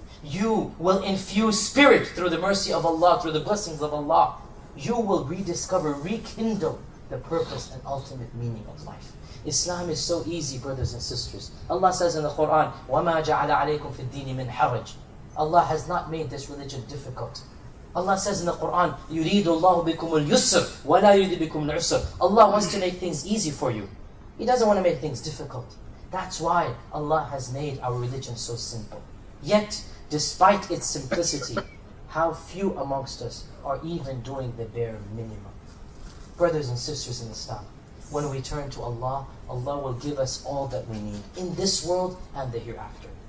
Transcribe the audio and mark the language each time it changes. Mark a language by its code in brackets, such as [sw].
[en] You will infuse spirit through the mercy of Allah, through the blessings of Allah. You will rediscover, rekindle the purpose and ultimate meaning of life. Islam is so easy, brothers and sisters. Allah says in the Quran, [ar] وَمَا جَعَلَ عَلَيْكُمْ فِي الدِّينِ مِنْ حَرَجٍ. [en] Allah has not made this religion difficult. Allah says in the Quran, [ar] يُرِيدُ اللَّهُ بِكُمُ الْيُسْرِ وَلَا يُرِيدُ بِكُمُ الْعُسْرِ. [en] Allah wants to make things easy for you. He doesn't want to make things difficult. That's why Allah has made our religion so simple. Yet, despite its simplicity, how few amongst us are even doing the bare minimum. Brothers and sisters in Islam, when we turn to Allah, Allah will give us all that we need in this world and the hereafter.